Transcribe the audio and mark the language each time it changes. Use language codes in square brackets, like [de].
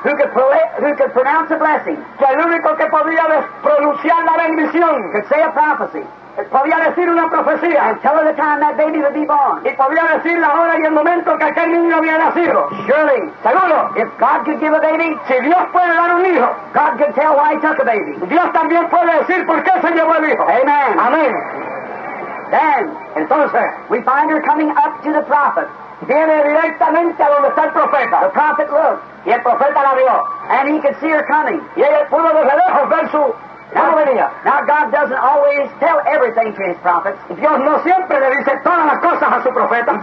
[en] Who could pronounce a blessing. [es] Que el único que podía pronunciar la bendición. [en] Could say a prophecy. [es] Podía decir una profecía. [en] And tell her the time that baby would be born. [es] Y podía decir la hora y el momento que aquel niño había nacido. [en] Surely. [es] Seguro. [en] If God could give a baby. [es] Si Dios puede dar un hijo. [en] God could tell why he took a baby. [es] Dios también puede decir por qué se llevó el hijo. [en] Amen. Amen. Then. [es] Entonces. [en] We find her coming up to the prophet. [es] Viene directamente a donde está el profeta. [en] The prophet looked. [es] Y el profeta la vio. [en] And he could see her coming. [es] Y ella pudo desde lejos ver su... [en] Now God doesn't always tell everything to his prophets. [es] Dios no siempre le dice todas las cosas a su profeta.